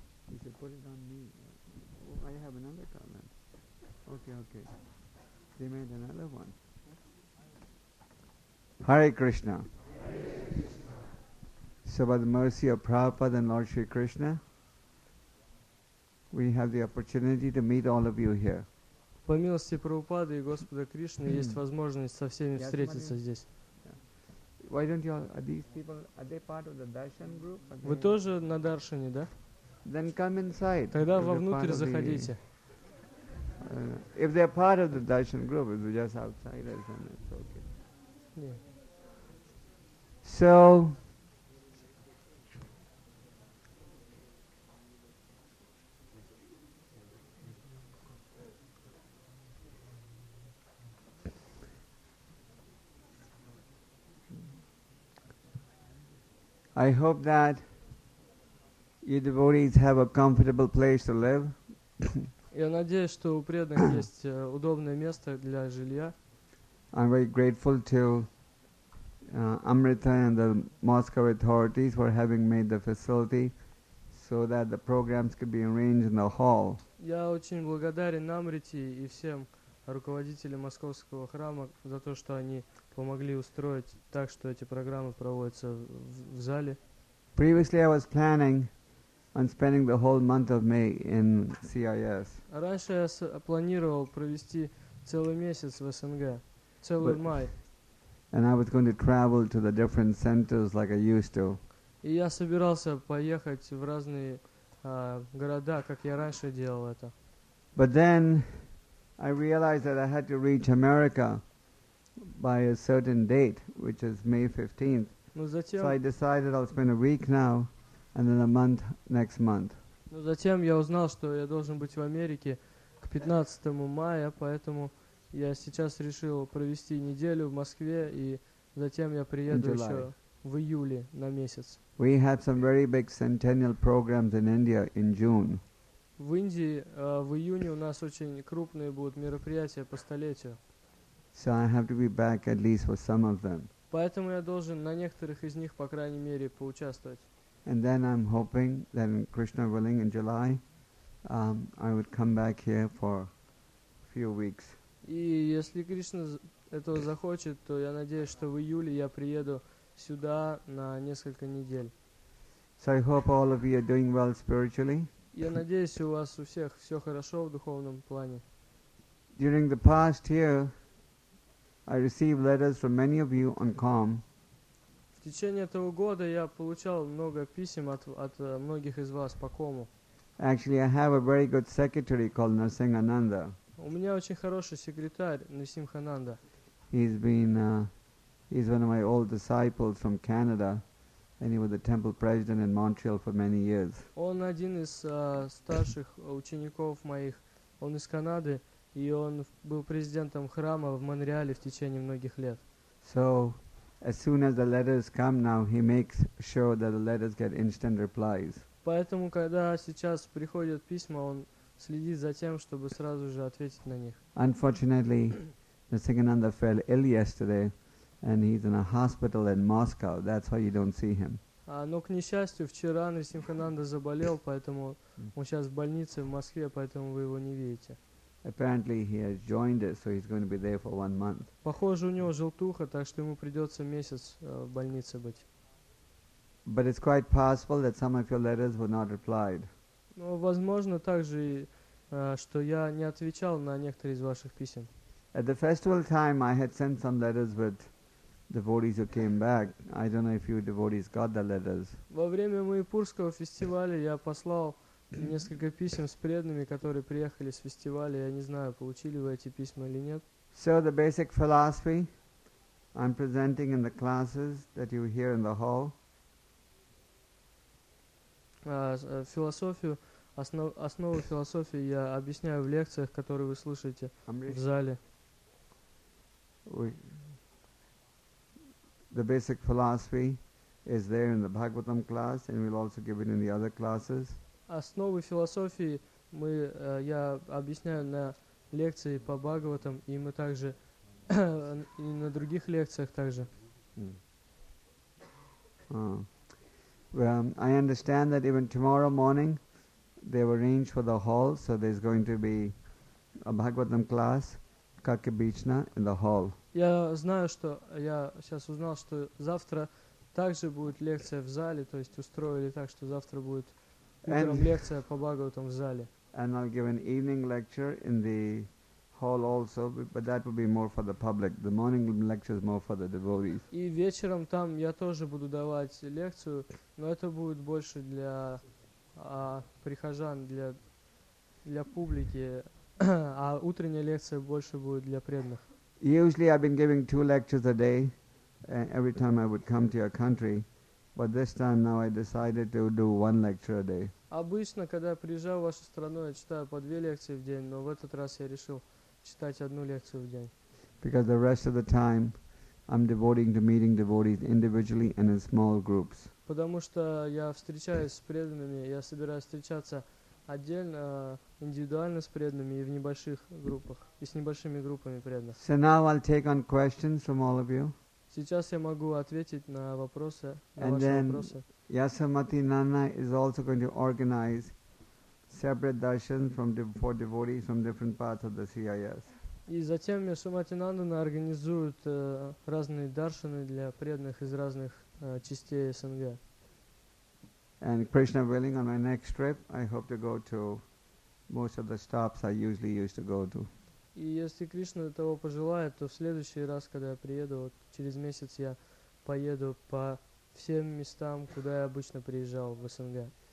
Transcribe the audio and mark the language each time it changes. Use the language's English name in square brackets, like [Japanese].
[English] You should put it on me. Oh, I have another garland. Okay. They made another one. Hare Krishna. So by the mercy of Prabhupada and Lord Sri Krishna, we have the opportunity to meet all of you here. [Russian] По милости Прабхупады и Господа Кришны есть возможность со всеми встретиться здесь. [English] Why don't you all, are these people, are they part of the darshan group? [Russian] Вы тоже на даршане, да? [English] Then come inside. [Russian] Тогда вовнутрь заходите. [English] If they're part of the darshan group, if they're just outsiders, then it's okay. Yeah. So, I hope that you devotees have a comfortable place to live. [Russian] Я надеюсь, что у преданных есть удобное место для жилья. [English] I'm very grateful to Amrita and the Moscow authorities for having made the facility so that the programs could be arranged in the hall. [Russian] Я очень благодарен Амрите и всем руководителям Московского храма за то, что они помогли устроить так, что эти программы проводятся в зале. [English] Previously I was planning on spending the whole month of May in CIS. [Russian] Раньше я планировал провести целый месяц в СНГ, целый май. [English] And I was going to travel to the different centers like I used to. [Russian] И я собирался поехать в разные города, как я раньше делал это. [English] But then I realized that I had to reach America by a certain date, which is May 15th. So I decided I'll spend a week now and then a month next month. [Russian] Но затем я узнал, что я должен быть в Америке к 15 мая, поэтому я сейчас решил провести неделю в Москве и затем я приеду еще в июле на месяц. [English] We had some very big centennial programs in India in June. [Russian] В Индии в июне у нас очень крупные будут мероприятия по столетию. [English] So I have to be back at least for some of them. [Russian] Поэтому я должен на некоторых из них, по крайней мере, поучаствовать. [English] And then I'm hoping that, Krishna willing, in July, I would come back here for a few weeks. [Russian] И если Кришна этого захочет, то я надеюсь, что в июле я приеду сюда на несколько недель. [English] So I hope all of you are doing well spiritually. [Russian] Я надеюсь, у вас у всех все хорошо в духовном плане. [English] During the past year, I received letters from many of you on calm. [Russian] В течение этого года я получал много писем от многих из вас по кому. [English] Actually, I have a very good secretary called Narsinghananda. [Russian] У меня очень хороший секретарь Нарсимхананда. [English] He's one of my old disciples from Canada. And he was the temple president in Montreal for many years. [Russian] Он один из старших учеников моих. Он из Канады, и он был президентом храма в Монреале в течение многих лет. [English] So, as soon as the letters come now, he makes sure that the letters get instant replies. [Russian] Поэтому, когда сейчас приходят письма, он следит за тем, чтобы сразу же ответить на них. [English] Unfortunately, Nasingananda fell ill yesterday. And he's in a hospital in Moscow. That's why you don't see him. [Russian] Но к несчастью вчера Нарсимхананда заболел, поэтому он сейчас в больнице в Москве, поэтому вы его не видите. [English] Apparently he has jaundice, so he's going to be there for 1 month. [Russian] Похоже, у него желтуха, так что ему придется месяц в больнице быть. [English] But it's quite possible that some of your letters were not replied. [Russian] Но возможно также что я не отвечал на некоторые из ваших писем. [English] At the festival time, I had sent some letters, but devotees who came back, I don't know if you devotees got the letters. [Russian] Во время Майпурского фестиваля я послал несколько писем с преданными, которые приехали с фестиваля. Я не знаю, получили вы эти письма или нет. [English] So the basic philosophy I'm presenting in the classes that you hear in the hall. [Russian] Философию, основу философии я объясняю в лекциях, которые вы слушаете в зале. [English] The basic philosophy is there in the Bhagavatam class, and we'll also give it in the other classes. [Russian] Основы философии мы, я объясняю на лекции по Бхагаватам, и мы также и на других лекциях также. [English] Well, I understand that even tomorrow morning they were arranged for the hall, so there's going to be a Bhagavatam class, Kaki Bhichna, in the hall. [Russian] Я знаю, что я сейчас узнал, что завтра также будет лекция в зале, то есть устроили так, что завтра будет утром лекция по Бхагаватам в зале. [English] And I'll give an evening lecture in the hall also, but that will be more for the public. The morning lecture is more for the devotees. [Russian] И вечером там я тоже буду давать лекцию, но это будет больше для прихожан, для публики, а утренняя лекция больше будет для преданных. [English] Usually I've been giving two lectures a day every time I would come to your country, but this time now I decided to do one lecture a day. [Russian] Обычно, когда я приезжаю в вашу страну, я читаю по две лекции в день, но в этот раз я решил читать одну лекцию в день. [English] Because the rest of the time I'm devoting to meeting devotees individually and in small groups. [Russian] Потому что я встречаюсь с преданными, я собираюсь встречаться отдельно, индивидуально с преданными и в небольших группах, и с небольшими группами преданных. [English] So now I'll take on questions from all of you. [Russian] Сейчас я могу ответить на вопросы, [English] and [Russian] на ваши вопросы. [English] And then Yasamati Nana is also going to organize separate darshan for devotees from different parts of the CIS. [Russian] И затем Yasamati Nana организует разные даршаны для преданных из разных частей СНГ. [English] And Krishna willing, on my next trip, I hope to go to most of the stops I usually used to go to. [Russian] И если Кришна того пожелает, то в следующий раз, когда я приеду, вот через месяц я поеду по всем местам, куда я обычно приезжал в СНГ.